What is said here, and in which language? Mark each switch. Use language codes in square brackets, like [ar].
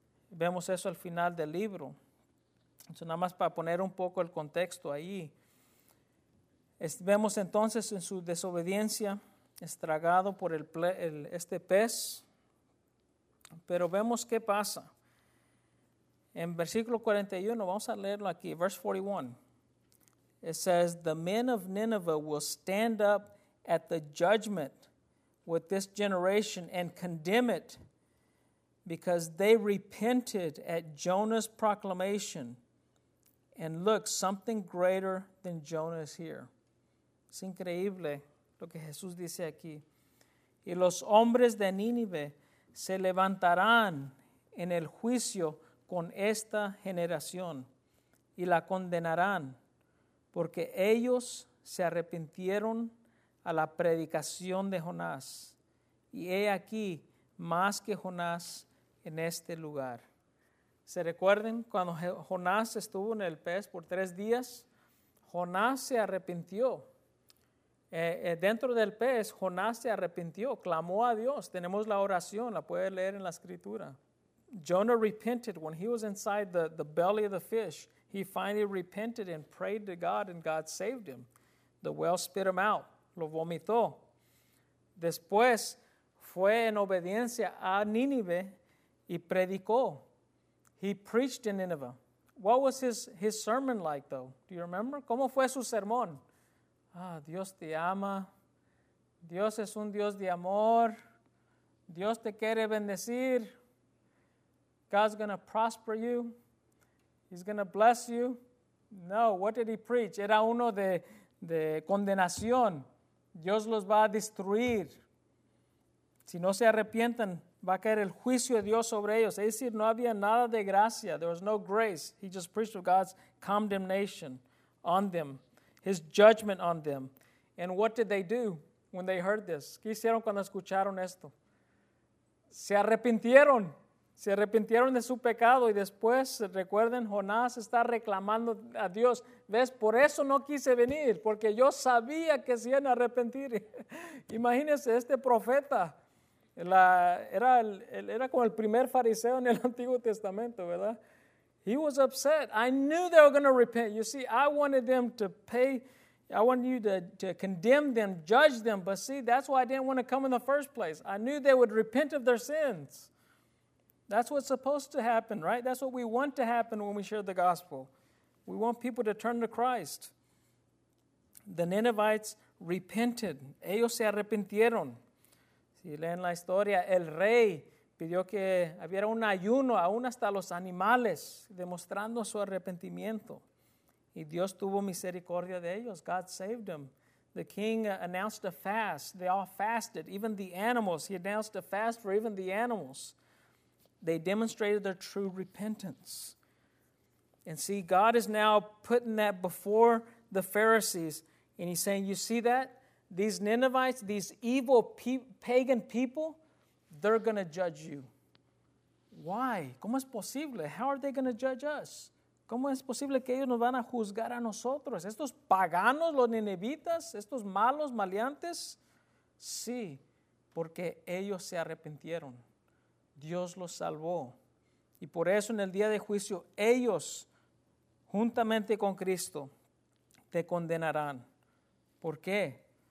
[es] Vemos eso al final del libro. Entonces, nada más para poner un poco el contexto ahí. Vemos entonces en su desobediencia, estragado por este pez. Pero vemos qué pasa. En versículo 41, vamos a leerlo aquí, [en] verse 41. It says, "The men of Nineveh will stand up at the judgment with this generation and condemn it because they repented at Jonah's proclamation. And look, something greater than Jonah is here." [es] Es increíble lo que Jesús dice aquí. Y los hombres de Nínive se levantarán en el juicio con esta generación y la condenarán, porque ellos se arrepintieron a la predicación de Jonás. Y he aquí más que Jonás en este lugar. ¿Se recuerdan cuando Jonás estuvo en el pez por 3 días? Jonás se arrepintió. Dentro del pez, Jonás se arrepintió, clamó a Dios. Tenemos la oración, la puede leer en la escritura. [en] Jonah repented when he was inside the belly of the fish. He finally repented and prayed to God, and God saved him. The whale spit him out, [es] lo vomitó. Después fue en obediencia a Nínive y predicó. [en] He preached in Nineveh. What was his sermon like, though? Do you remember? [es] ¿Cómo fue su sermón? Ah, Dios te ama. Dios es un Dios de amor. Dios te quiere bendecir. [en] God's going to prosper you. He's going to bless you. No, what did he preach? [es] Era uno de condenación. Dios los va a destruir. Si no se arrepientan, va a caer el juicio de Dios sobre ellos. Es decir, no había nada de gracia. [en] There was no grace. He just preached of God's condemnation on them. His judgment on them. And what did they do when they heard this? [es] ¿Qué hicieron cuando escucharon esto? Se arrepintieron. Se arrepintieron de su pecado. Y después, recuerden, Jonás está reclamando a Dios. ¿Ves? Por eso no quise venir. Porque yo sabía que se iban a arrepentir. Imagínense, este profeta. Era como el primer fariseo en el Antiguo Testamento, ¿verdad? [en] He was upset. I knew they were going to repent. You see, I wanted them to pay. I wanted you to condemn them, judge them. But see, that's why I didn't want to come in the first place. I knew they would repent of their sins. That's what's supposed to happen, right? That's what we want to happen when we share the gospel. We want people to turn to Christ. The Ninevites repented. [es] Ellos se arrepintieron. Si leen la historia, el rey pidió que hubiera un ayuno, aún hasta los animales, demostrando su arrepentimiento. Y Dios tuvo misericordia de ellos. [en] God saved them. The king announced a fast. They all fasted, even the animals. He announced a fast for even the animals. They demonstrated their true repentance. And see, God is now putting that before the Pharisees. And he's saying, you see that? These Ninevites, these evil pagan people, they're going to judge you. Why? [es] ¿Cómo es posible? [en] How are they going to judge us? [es] ¿Cómo es posible que ellos nos van a juzgar a nosotros? ¿Estos paganos, los ninevitas, estos malos, maleantes? Sí, porque ellos se arrepintieron. Dios los salvó. Y por eso en el día de juicio, ellos, juntamente con Cristo, te condenarán. ¿Por qué?